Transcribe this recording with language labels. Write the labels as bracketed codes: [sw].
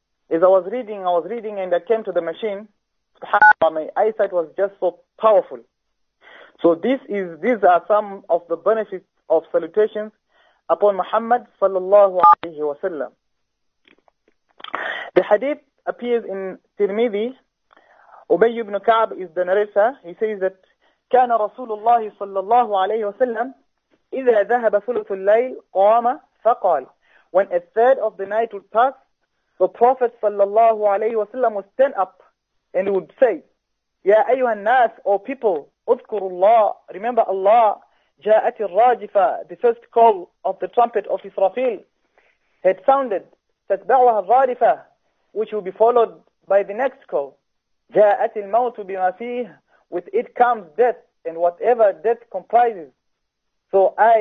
[en] As I was reading, and I came to the machine, subhanAllah, my eyesight was just so powerful. So these are some of the benefits of salutations upon Muhammad sallallahu alayhi wasallam. The hadith appears in Tirmidhi. Ubay ibn Ka'b is the narrator. He says that [ar] كان رسول الله صلى الله عليه وسلم إذا ذهب ثلث الليل قام فقال. [en] When a third of the night would pass, the Prophet صلى الله عليه وسلم would stand up and would say, [ar] يا أيها الناس أو [en] people [ar] اذكروا الله [en] remember Allah [ar] جاءت الراجفة [en] the first call of the trumpet of Israfil had sounded [ar] تتبعها الراجفة [en] which will be followed by the next call [ar] جاءت الموت بما فيه [en] with it comes death and whatever death comprises so